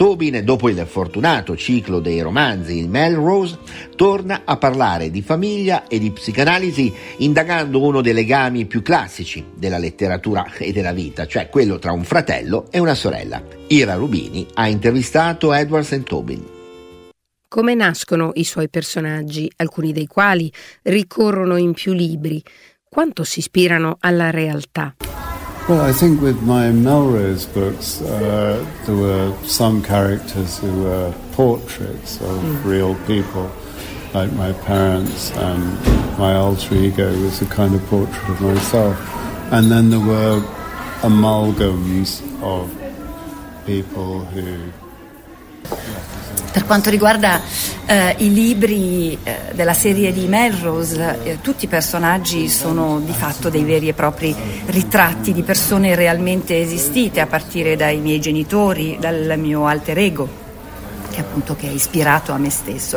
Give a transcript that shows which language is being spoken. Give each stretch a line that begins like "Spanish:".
Italian: Aubyn, dopo il fortunato ciclo dei romanzi Il Melrose, torna a parlare di famiglia e di psicanalisi, indagando uno dei legami più classici della letteratura e della vita, cioè quello tra un fratello e una sorella. Ira Rubini ha intervistato Edward St. Aubyn. Come nascono i suoi personaggi, alcuni dei quali ricorrono in più libri? Quanto si ispirano alla realtà?
English: Well, I think with my Melrose books, there were some characters who were portraits of real people, like my parents, and my alter ego was a kind of portrait of myself. And then there were amalgams of people who...
Italian: Per quanto riguarda i libri della serie di Melrose, tutti i personaggi sono di fatto dei veri e propri ritratti di persone realmente esistite, a partire dai miei genitori, dal mio alter ego, che appunto che è ispirato a me stesso.